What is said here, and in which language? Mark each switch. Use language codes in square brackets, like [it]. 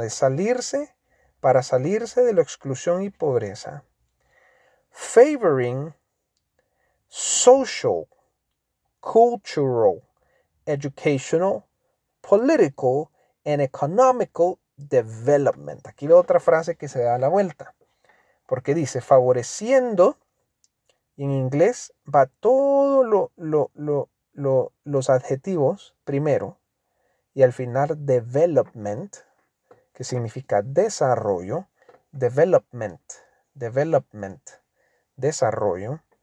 [es] De salirse, para salirse de la exclusión y pobreza. [en] Favoring social, cultural, educational, political, and economical development. [es] Aquí veo otra frase que se da la vuelta. Porque dice, favoreciendo. En inglés va todo los adjetivos primero y al final development, que significa desarrollo, development, development, desarrollo.